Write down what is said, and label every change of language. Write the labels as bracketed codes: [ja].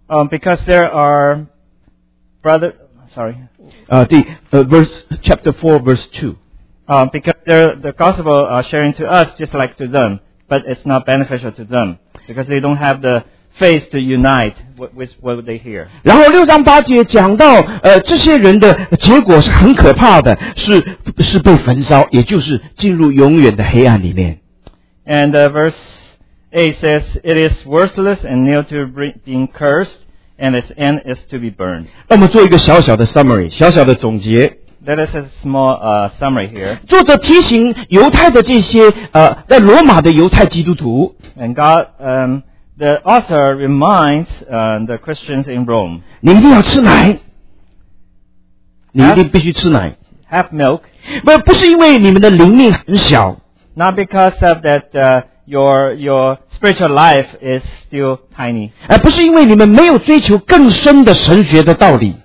[en] Because there are brother, sorry. Verse 4:2. Because the gospel are sharing to us just like to them, but it's not beneficial to them because they don't have the faith to unite with what they hear. [zh] 然后六章八节讲到，这些人的结果是很可怕的，是被焚烧，也就是进入永远的黑暗里面。 [en] And verse 8 says, it is worthless and near to being cursed, and its end is to be burned. [zh] 那么做一个小小的 summary, 小小的总结。 [en] That is a small summary here. [zh] 作者提醒犹太的这些在罗马的犹太基督徒。 [en] And God, the author reminds the Christians in Rome. [zh] 你一定要吃奶。你一定必须吃奶。 [en] Have milk. [zh] 不是因为你们的灵命很小。 [en] Not because of that, your spiritual life is still tiny. [zh] 不是因为你们没有追求更深的神学的道理。